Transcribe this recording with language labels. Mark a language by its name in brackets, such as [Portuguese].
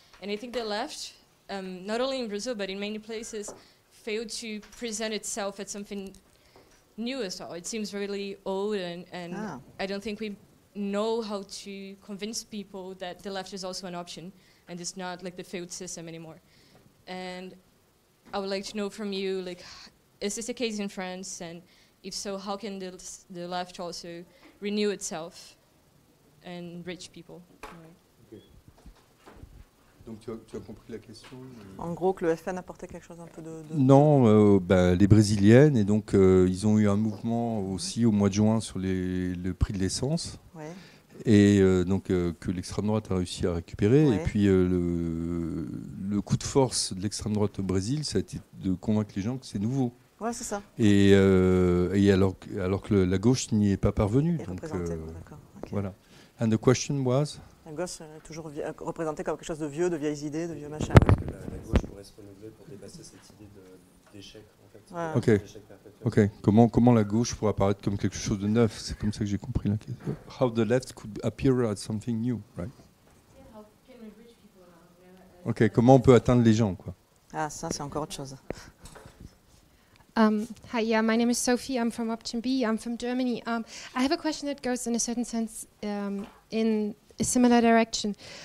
[English] And I think the left, not only in Brazil, but in many places, failed to present itself as something new as well. It seems really old, and I don't think we know how to convince people that the left is also an option, and it's not like the failed system anymore. And I would like to know from you, like, is this the case in France? And if so, how can the left also renew itself and rich people? [French] Okay. Donc tu as compris la question? En gros, que le FN apportait quelque chose un peu de... Non, les Brésiliennes, et donc ils ont eu un mouvement aussi au mois de juin sur le prix de l'essence, et donc que l'extrême droite a réussi à récupérer. Ouais. Et puis le coup de force de l'extrême droite au Brésil, ça a été de convaincre les gens que c'est nouveau. Ouais, c'est ça. Et alors que la gauche n'y est pas parvenue. Et donc, d'accord. [English] Okay. Voilà. And the question was? [French] La gauche est toujours représentée comme quelque chose de vieux, de vieilles idées, de vieux machin. La gauche pourrait se renouveler pour dépasser cette idée d'échec, en fait. Ouais. Okay. Okay. Comment la gauche pourrait apparaître comme quelque chose de neuf? C'est comme ça que j'ai compris la question. [English] How the left could appear as something new, right? Yeah, how can we reach people now? [French] Okay. Comment on peut atteindre les gens, quoi? Ah, ça, c'est encore autre chose. [English] Hi, yeah, my name is Sophie. I'm from Option B. I'm from Germany. I have a question that goes in a certain sense in a similar direction.